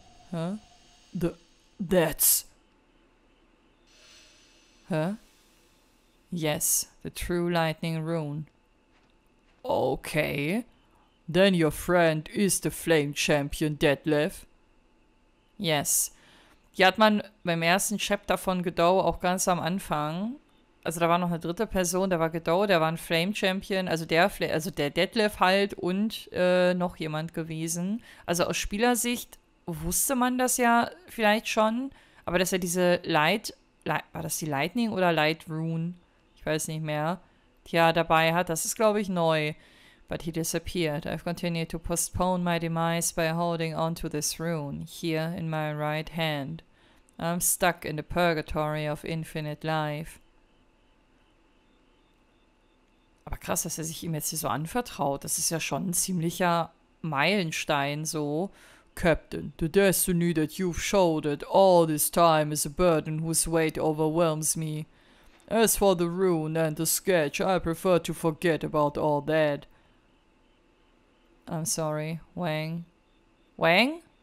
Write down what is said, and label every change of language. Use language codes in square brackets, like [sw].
[en] Huh? That's... Huh? Yes, the true lightning rune. Okay. Then your friend is the flame champion, Detlef. Yes. [de] Die hat man beim ersten Chapter von Godot auch ganz am Anfang. Also da war noch eine dritte Person, da war Godot, der war ein Flame Champion, also der Detlef halt und noch jemand gewesen. Also aus Spielersicht wusste man das ja vielleicht schon, aber dass er diese war das die Lightning oder Light Rune? Ich weiß nicht mehr. Tja, dabei hat, das ist glaube ich neu. [en] But he disappeared. I've continued to postpone my demise by holding on to this rune, here in my right hand. I'm stuck in the purgatory of infinite life. [de] Aber krass, dass er sich ihm jetzt hier so anvertraut. Das ist ja schon ein ziemlicher Meilenstein, so. [en] Captain, the destiny that you've shouldered all this time is a burden whose weight overwhelms me. As for the rune and the sketch, I prefer to forget about all that. I'm sorry, Wang. Wang?